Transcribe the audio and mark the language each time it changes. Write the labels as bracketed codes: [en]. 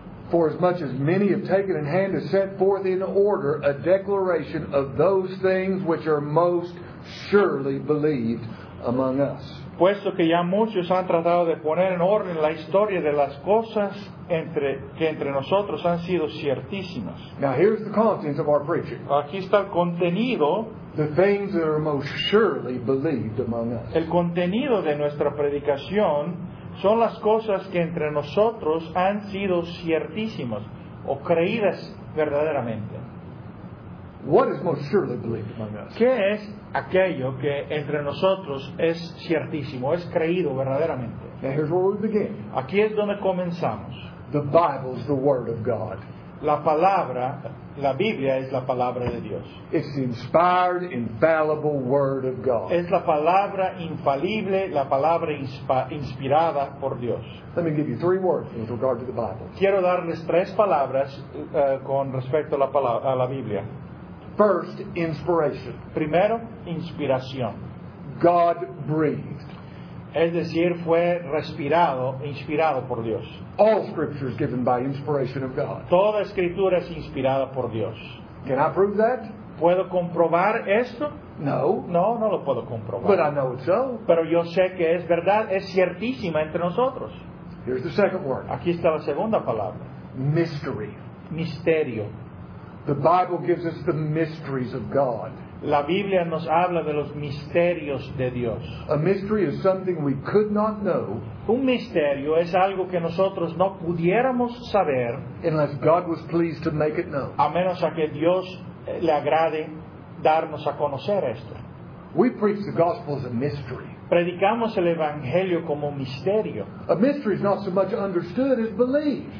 [en] "For as much as many have taken in hand to set forth in order a declaration of those things which are most surely believed among us." [es] Puesto que ya muchos han tratado de poner en orden la historia de las cosas que entre nosotros han sido ciertísimas. [en] Now here's the content of our preaching. [es] Aquí está el contenido. [en] The things that are most surely believed among us. [es] El contenido de nuestra predicación son las cosas que entre nosotros han sido ciertísimas o creídas verdaderamente. [en] What is most surely believed among us? [es] ¿Qué es aquello que entre nosotros es ciertísimo, es creído verdaderamente? [en] Now here's where we begin. [es] Aquí es donde comenzamos. [en] The Bible is the Word of God. [es] La palabra, la Biblia es la palabra de Dios. [en] It's the inspired, infallible Word of God. [es] Es la palabra infalible, la palabra inspirada por Dios. [en] Let me give you 3 words with regard to the Bible. [es] Quiero darles 3 palabras con respecto a la Biblia. [en] First, inspiration. [es] Primero, inspiración. [en] God breathed. [es] Es decir, fue respirado, inspirado por Dios. [en] All scripture is given by inspiration of God. [es] Toda escritura es inspirada por Dios. [en] Can I prove that? [es] ¿Puedo comprobar esto? [en] No. [es] No, no lo puedo comprobar. [en] But I know it's so. [es] Pero yo sé que es verdad, es ciertísima entre nosotros. [en] Here's the second word. [es] Aquí está la segunda palabra. [en] Mystery. [es] Misterio. [en] The Bible gives us the mysteries of God. [es] La Biblia nos habla de los misterios de Dios. [en] A mystery is something we could not know. [es] Un misterio es algo que nosotros no pudiéramos saber. [en] Unless God was pleased to make it known. [es] A menos a que Dios le agrade darnos a conocer esto. [en] We preach the gospel as a mystery. [es] Predicamos el evangelio como un misterio. [en] A mystery is not so much understood as believed.